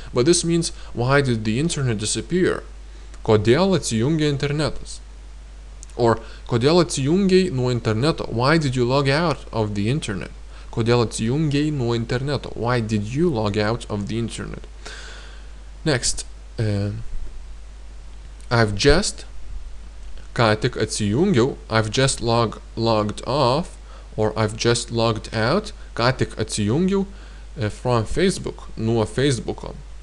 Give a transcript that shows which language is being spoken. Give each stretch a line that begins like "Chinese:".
English: But this means, why did the internet disappear?
Lithuanian: Kodėl atsijungė internetas? Or, kodėl atsijungė nuo interneto?
English: Why did you log out of the internet?
Lithuanian: Kodėl atsijungė nuo interneto?
English: Why did you log out of the internet? Next. I've just logged off, or I've just logged out,
Lithuanian: ką tik atsijungiau,
English: from Facebook,
Lithuanian: nuo Facebooko.